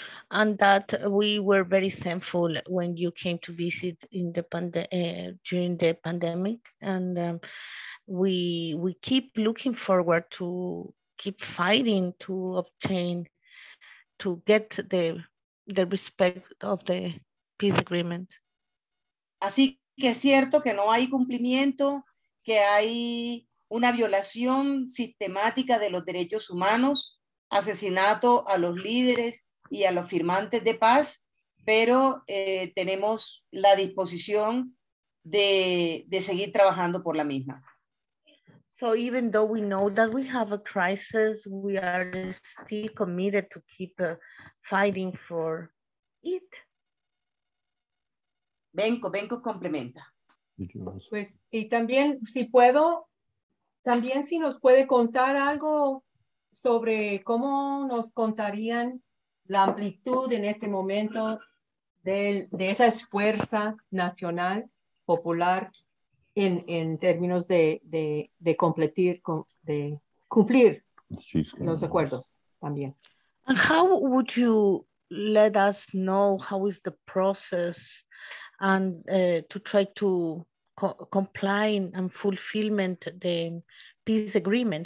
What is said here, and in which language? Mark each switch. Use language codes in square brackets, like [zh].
[en] And that we were very thankful when you came to visit in the during the pandemic, and we keep looking forward to keep fighting to obtain to get the respect of the peace agreement. [es] Así que es cierto que no hay cumplimiento, que hay una violación sistemática de los derechos humanos, asesinato a los líderes y a los firmantes de paz, pero tenemos la disposición de seguir trabajando por la misma. [en] So even though we know that we have a crisis, we are still committed to keep fighting for it. [es] Benko complementa. Pues, y también, si puedo, también si nos puede contar algo sobre cómo nos contarían la amplitud en este momento de esa fuerza nacional popular en términos de completar de cumplir los acuerdos también. [en] And how would you let us know how is the process and to try to comply and fulfillment the peace agreement?